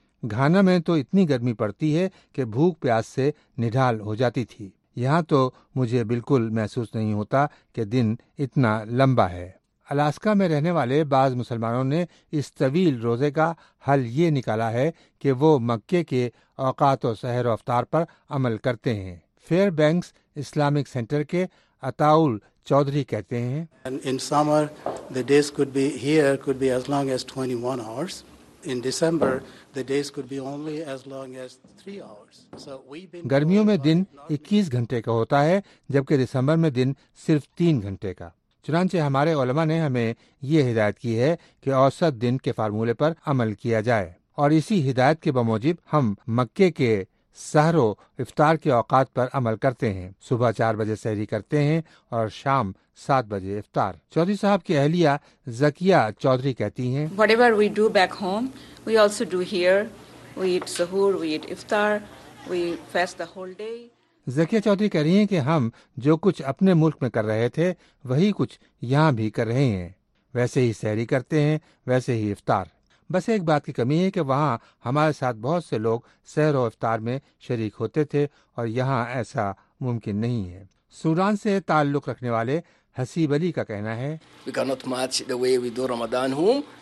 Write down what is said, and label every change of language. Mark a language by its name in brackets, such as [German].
[Urdu] Ghana میں تو اتنی گرمی پڑتی ہے کہ بھوک پیاس سے نڈھال ہو جاتی تھی، یہاں تو مجھے بالکل محسوس نہیں ہوتا کہ دن اتنا لمبا ہے۔ الاسکا میں رہنے والے بعض مسلمانوں نے اس طویل روزے کا حل یہ نکالا ہے کہ وہ مکے کے اوقات و سحر و افطار پر عمل کرتے ہیں۔ فیئر بینکس اسلامک سینٹر کے عطاؤل چودھری کہتے ہیں، [English] In summer, the days could be here could be as long as 21 hours. In December, the days could be only as long as 3 hours. So we've been [Urdu] گرمیوں میں دن 21 گھنٹے کا ہوتا ہے جبکہ دسمبر میں دن صرف 3 گھنٹے کا۔ چنانچہ ہمارے علماء نے ہمیں یہ ہدایت کی ہے کہ اوسط دن کے فارمولے پر عمل کیا جائے، اور اسی ہدایت کے بموجب ہم مکے کے سحر و افطار کے اوقات پر عمل کرتے ہیں، صبح 4 بجے سحری کرتے ہیں اور شام 7 بجے افطار۔ چودھری صاحب کی اہلیہ زکیہ چودھری کہتی ہیں، [English] Whatever we do back home, we also do here. We eat suhoor, we eat iftar, we fast the whole day. [Urdu] زکیہ Chaudhry کہہ رہی ہیں کہ ہم جو کچھ اپنے ملک میں کر رہے تھے وہی کچھ یہاں بھی کر رہے ہیں، ویسے ہی سحری کرتے ہیں، ویسے ہی افطار۔ بس ایک بات کی کمی ہے کہ وہاں ہمارے ساتھ بہت سے لوگ سحر و افطار میں شریک ہوتے تھے اور یہاں ایسا ممکن نہیں ہے۔ سوڈان سے تعلق رکھنے والے حسیب علی کا کہنا ہے، [English] We cannot match the way we do Ramadan home.